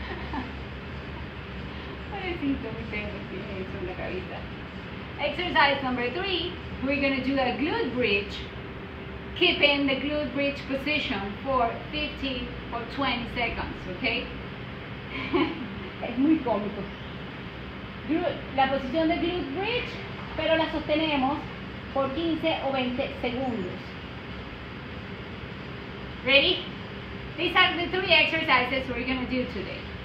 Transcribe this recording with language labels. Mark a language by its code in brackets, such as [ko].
[es] Pobrecito, mi perro tiene eso en la cabeza. [en] Exercise number 3. We're going to do a glute bridge. Keep in the glute bridge position for 15 or 20 seconds, ok? [es] Es muy cómico. La posición de glute bridge, pero la sostenemos por 15 o 20 segundos. [en] Ready? These are the 3 exercises we're going to do today.